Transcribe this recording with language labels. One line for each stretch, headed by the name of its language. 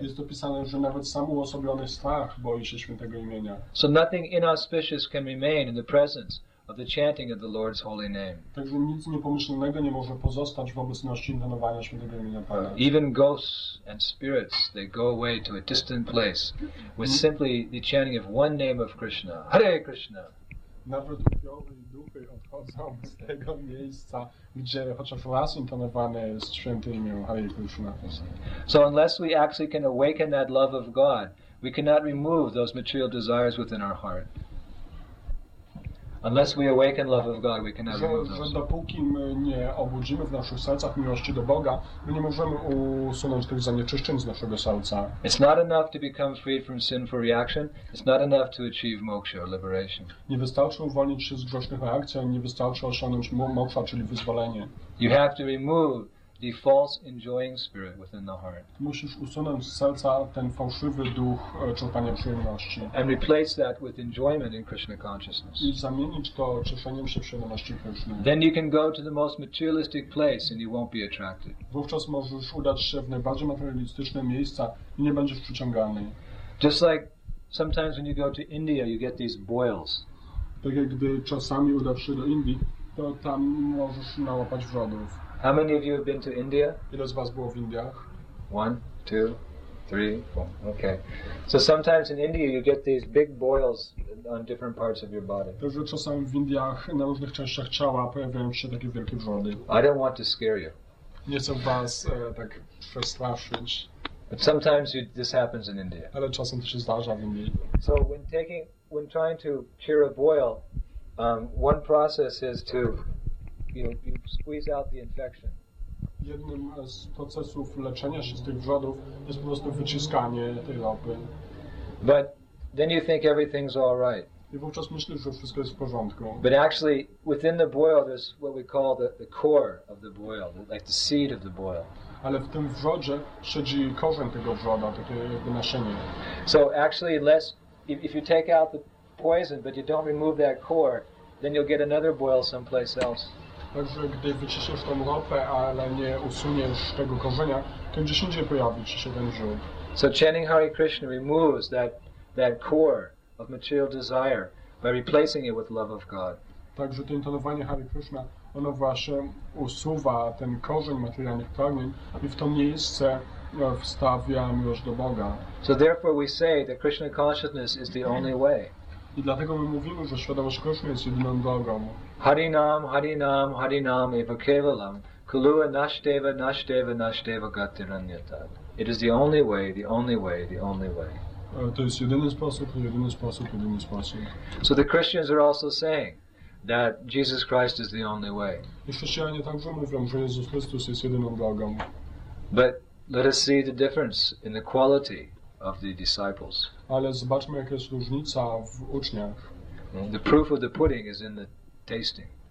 Polish: Jest opisane, że nawet sam uosobiony strach boi się świętego imienia.
English: So nothing inauspicious can remain in the presence of the chanting of the Lord's holy name.
Polish: Także nic niepomyślnego nie może pozostać w obecności intonowania świętego imienia Pana.
English: Even ghosts and spirits, they go away to a distant place with simply the chanting of one name of Krishna. Hare Krishna!
Polish: Nawet upiory i duchy odchodzą z tego miejsca, gdzie chociaż raz intonowane jest święte imię Hare Krishna.
English: So unless we actually can awaken that love of God, we cannot remove those material desires within our heart. Unless we awaken love of God, we cannot remove those.
Polish: Że dopóki my nie obudzimy w naszych sercach miłości do Boga, my nie możemy usunąć tych zanieczyszczeń z naszego serca.
English: It's not enough to become freed from sinful reaction. It's not enough to achieve moksha, liberation.
Polish: Nie wystarczy uwolnić się z grzesznych reakcji, nie wystarczy osiągnąć moksha, czyli wyzwolenie.
English: You have to remove the false enjoying spirit within the heart.
Polish: Musisz usunąć z serca ten fałszywy duch czerpania przyjemności.
English: And replace that with enjoyment in Krishna consciousness.
Polish: I zamienić to cieszeniem się przyjemności Krishna.
English: Then you can go to the most materialistic place and you won't be attracted.
Polish: Wówczas możesz udać się w najbardziej materialistyczne miejsca i nie będziesz przyciągany.
English: Just like sometimes when you go to India, you get these boils.
Polish: Tak jak gdy czasami udasz się do Indii, to tam możesz nałapać wrzodów.
English: How many of you have been to India?
Polish: Ile z was było w Indiach?
English: One, two, Three, four. Okay. So sometimes in India you get these big boils on different parts of your body.
Polish: Także czasami w Indiach na różnych częściach ciała pojawiają się takie wielkie wrzody.
English: I don't want to scare you.
Polish: Nie chcę was tak przestraszyć.
English: But sometimes this happens in India.
Polish: Ale czasem to się zdarza w Indii.
English: So when trying to cure a boil, one process is to you squeeze out the infection.
Polish: Jednym z procesów leczenia się z tych wrzodów jest po prostu wyciskanie tej ropy.
English: But then you think everything's all right.
Polish: I wówczas myślisz, że wszystko jest w porządku.
English: But actually, within the boil, there's what we call the core of the boil, like the seed of the boil.
Polish: Ale w tym wrzodzie siedzi korzeń tego wrzoda, takie jakby naszenie.
English: So actually, unless if you take out the poison, but you don't remove that core, then you'll get another boil someplace else.
Polish: Także gdy wyciszysz tą ropę, ale nie usuniesz tego korzenia, to gdzieś indziej pojawi ci się ten wrzód.
English: So chanting Hare Krishna removes that core of material desire by replacing it with love of God.
Polish: Także to intonowanie Hare Krishna, ono właśnie usuwa ten korzeń materialnych pragnień i w to miejsce wstawia miłość do Boga.
English: So therefore we say that Krishna consciousness is the only way.
Polish: I dlatego my mówimy, że świadomość Krishna jest jedyną drogą.
Sanskrit: Harinam, harinam, harinam eva kevalam, kulua nashdeva, nashdeva, nashdeva gatiranyata.
English: It is the only way, the only way, the only way.
Polish: To jest jedyny sposób, jedyny sposób, jedyny sposób.
English: So the Christians are also saying that Jesus Christ is the only way.
Polish: I chrześcijanie także mówią, że Jezus Chrystus jest jedyną drogą.
English: But let us see the difference in the quality of the disciples.
Polish: Ale zobaczmy, jaka jest różnica w uczniach.
English: The proof of the pudding is in the tasting.